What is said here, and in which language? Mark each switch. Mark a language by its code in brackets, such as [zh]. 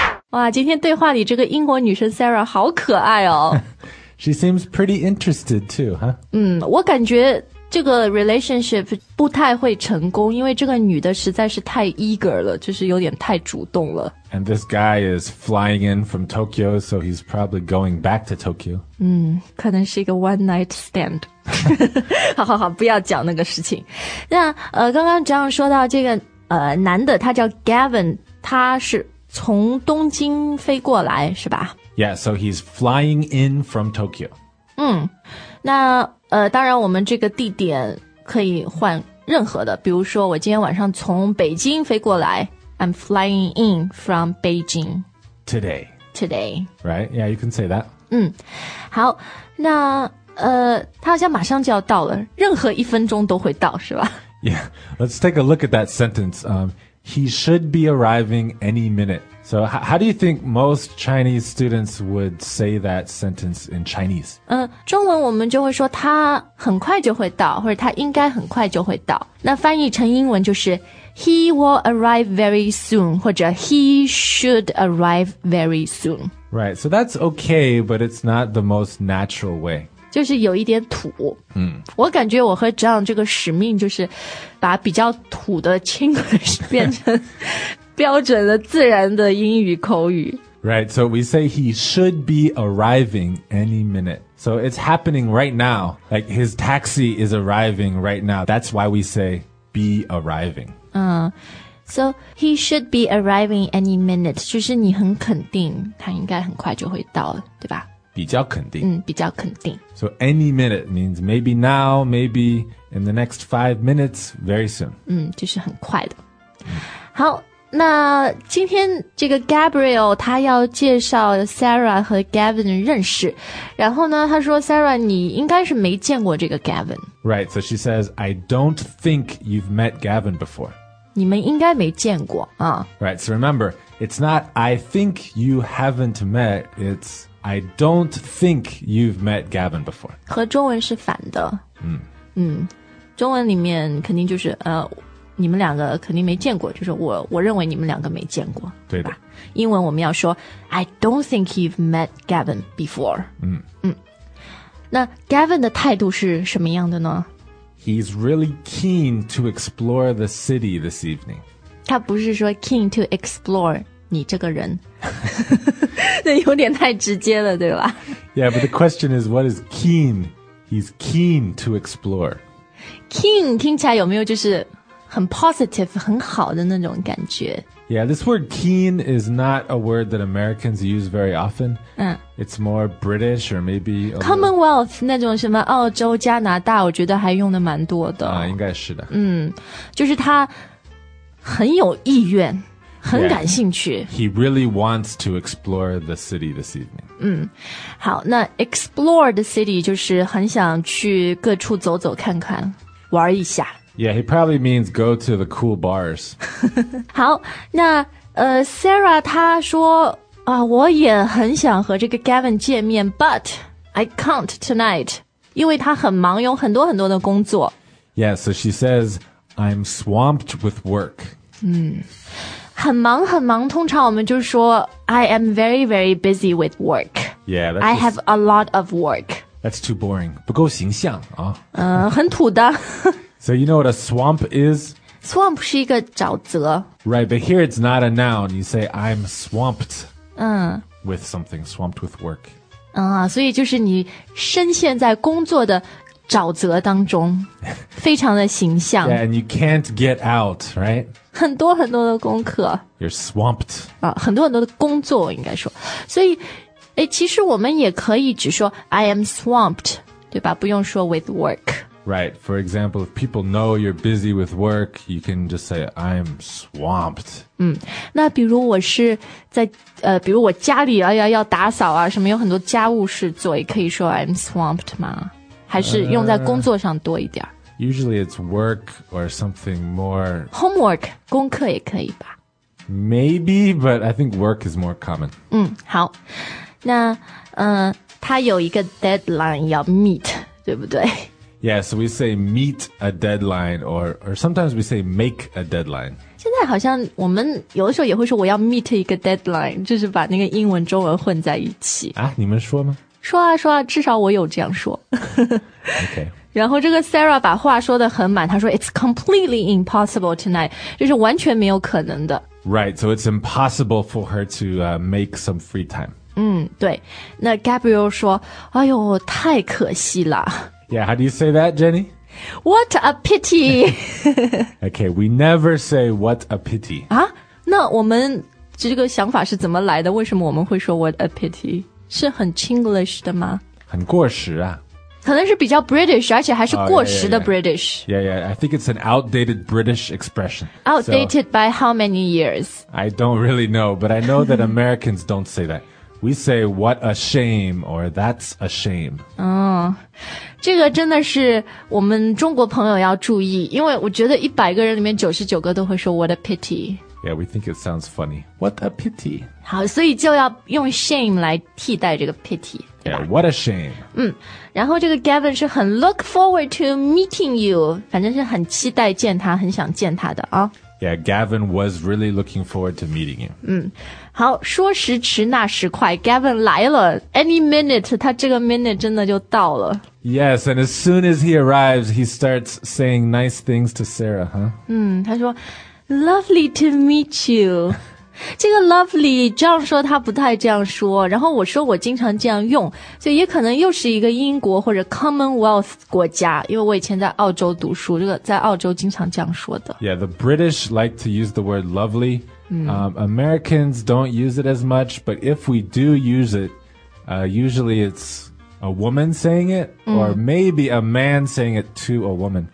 [zh] 哇，今天对话里这个英国女生 Sarah 好可爱哦。 [en] She seems pretty interested too, huh? [zh] 我感觉这个 relationship 不太会成功，因为这个女的实在是太 eager 了，就是有点太主动了。 [en] And this guy is flying in from Tokyo, so he's probably going back to Tokyo. [zh] 可能是一个 [en] one night stand. [zh] 好好好，不要讲那个事情。那刚刚这样说到这个男的，他叫 Gavin, 他是从东京飞过来是吧 [en] Yeah, so he's flying in from Tokyo. [zh] 那当然我们这个地点可以换任何的，比如说我今天晚上从北京飞过来， [en] I'm flying in from Beijing. Today. Right, yeah, you can say that. [zh] 好，那他好像马上就要到了，任何一分钟都会到是吧 [en] Yeah, let's take a look at that sentence. He should be arriving any minute. So how do you think most Chinese students would say that sentence in Chinese? [zh] 中文我们就会说他很快就会到，或者他应该很快就会到。那翻译成英文就是 [en] He will arrive very soon, 或者 He should arrive very soon. Right, so that's okay, but it's not the most natural way. [zh] 就是有一点土我感觉我和 John 这个使命就是把比较土的 English 变成标准的自然的英语口语 [en] Right, so we say he should be arriving any minute. So it's happening right now. Like his taxi is arriving right now. That's why we say be arriving. So he should be arriving any minute. [zh] 就是你很肯定他应该很快就会到了对吧比较肯定比较肯定 [en] So any minute means maybe now, maybe in the next 5 minutes, very soon [zh] 就是很快的好那今天这个 Gabriel 他要介绍 Sarah 和 Gavin 认识然后呢他说 Sarah 你应该是没见过这个 Gavin [en] Right, so she says I don't think you've met Gavin before [zh] 你们应该没见过啊。 [en] Right, so remember it's not I think you haven't met, it'sI don't think you've met Gavin before. [zh] 和中文是反的。中文里面肯定就是你们两个肯定没见过就是我认为你们两个没见过。对的。英文我们要说 [en] I don't think you've met Gavin before. [zh] 那 Gavin 的态度是什么样的呢 [en] He's really keen to explore the city this evening. [zh] 他不是说 [en] keen to explore [zh] 你这个人那有点太直接了对吧 [en] Yeah, but the question is, what is keen? He's keen to explore. [zh] Keen 听起来有没有就是很 positive, 很好的那种感觉 [en] Yeah, this word keen is not a word that Americans use very often. It's more British or maybe... [zh] Commonwealth, 那种什么澳洲、加拿大我觉得还用的蛮多的。应该是的。就是他很有意愿，很感兴趣。 [en] Yeah, he really wants to explore the city this evening. [zh] 嗯，好，那 [en] explore the city [zh] 就是很想去各处走走看看，玩一下。 [en] Yeah, he probably means go to the cool bars. [zh] 好，那Sarah 她说啊，我也很想和这个 Gavin 见面 ， [en] but I can't tonight. [zh] 因为她很忙，有很多很多的工作。 [en] Yeah, so she says I'm swamped with work. [zh] 嗯，很忙很忙。通常我们就说 [en] I am very very busy with work. Yeah, that's I have a lot of work. That's too boring. [zh] 不够形象啊。很土的。 [en] So you know what a swamp is? [zh] Swamp 是一个沼泽。 [en] Right, but here it's not a noun. You say I'm swamped. With something, swamped with work. [zh] 所以就是你深陷在工作的沼泽当中，非常的形象。 [en] Yeah, and you can't get out, right? [zh] 很多很多的功课。 [en] You're swamped. [zh] 很多很多的工作应该说。所以，其实我们也可以只说 [en] I am swamped, [zh] 对吧？不用说 [en] with work。 Right, for example, if people know you're busy with work, you can just say, I'm swamped. [zh] 那比如我是在比如我家里要打扫啊，什么有很多家务事做，也可以说 [en] I'm swamped [zh] 吗？还是用在工作上多一点？ [en] Usually it's work or something more... [zh] Homework, 功课也可以吧。 [en] Maybe, but I think work is more common. [zh] 好。那他有一个 deadline 要 meet, 对不对？ [en] Yeah, so we say meet a deadline or sometimes we say make a deadline. [zh] 现在好像我们有的时候也会说我要 meet 一个 deadline, 就是把那个英文中文混在一起。啊，你们说吗？说啊说啊，至少我有这样说。 [en] Okay. [zh] 然后这个 Sarah 把话说得很满，她说 [en] it's completely impossible tonight, [zh] 就是完全没有可能的。 [en] Right, so it's impossible for her to make some free time. [zh] 对。那 Gabriel 说哎呦太可惜了。 [en] Yeah, how do you say that, Jenny? What a pity! Okay, we never say what a pity. [zh] 那我们这个想法是怎么来的？为什么我们会说 [en] what a pity? [zh] 是很 Chinglish 的吗？很过时啊。可能是比较 British, 而且还是过时的 British. [en] Yeah, I think it's an outdated British expression. Outdated by how many years? I don't really know, but I know that Americans don't say that. We say, what a shame, or that's a shame. [zh] 这个真的是我们中国朋友要注意，因为我觉得100个人里面99个都会说 what a pity. [en] Yeah, we think it sounds funny. What a pity. [zh] 好，所以就要用 shame 来替代这个 pity, 对吧？ [en] Yeah, what a shame. [zh] 然后这个 Gavin 是很 [en] look forward to meeting you, [zh] 反正是很期待见他，很想见他的啊。 [en] Yeah, Gavin was really looking forward to meeting him. [zh] 好，说时迟那时快 ,Gavin 来了 , [en] any minute, [zh] 他这个 minute 真的就到了。 [en] Yes, and as soon as he arrives, he starts saying nice things to Sarah, huh? [zh] 他说 [en] ,lovely to meet you. [zh] 这个 lovely, 这样说他不太这样说，然后我说我经常这样用，所以也可能又是一个英国或者 Commonwealth 国家，因为我以前在澳洲读书，这个在澳洲经常这样说的。 [en] Yeah, the British like to use the word lovely. Americans don't use it as much, but if we do use it, usually it's a woman saying it, or maybe a man saying it to a woman.